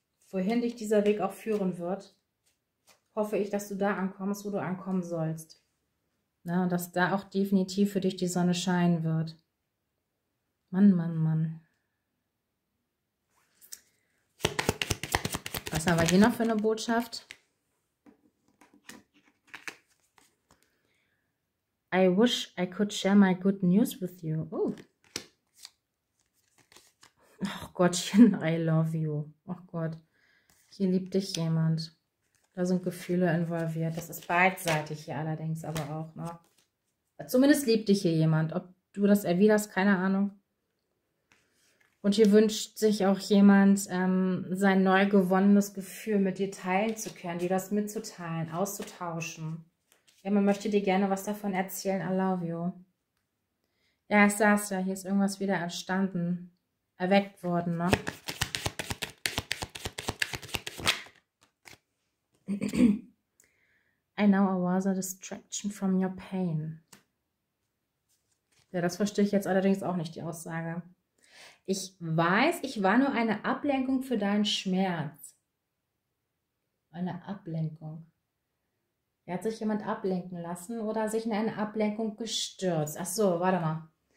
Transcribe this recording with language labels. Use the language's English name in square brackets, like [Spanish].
[German] Wohin dich dieser Weg auch führen wird, hoffe ich, dass du da ankommst, wo du ankommen sollst. Na, und dass da auch definitiv für dich die Sonne scheinen wird. Mann, Mann, Mann. Was haben wir hier noch für eine Botschaft? [English] I wish I could share my good news with you. Oh. [German] Ach Gottchen, [English] I love you. [German] Ach Gott, hier liebt dich jemand. Da sind Gefühle involviert. Das ist beidseitig hier allerdings aber auch. Ne? Zumindest liebt dich hier jemand. Ob du das erwiderst, keine Ahnung. Und hier wünscht sich auch jemand, sein neu gewonnenes Gefühl mit dir teilen zu können, dir das mitzuteilen, auszutauschen. Ja, man möchte dir gerne was davon erzählen. [English] I love you. [German] Ja, ich saß ja. Hier ist irgendwas wieder entstanden. Erweckt worden, ne? [English] I know I was a distraction from your pain. [German] Ja, das verstehe ich jetzt allerdings auch nicht, die Aussage. Ich weiß, ich war nur eine Ablenkung für deinen Schmerz. Eine Ablenkung. Er hat sich jemand ablenken lassen oder sich in eine Ablenkung gestürzt. Ach so, warte mal.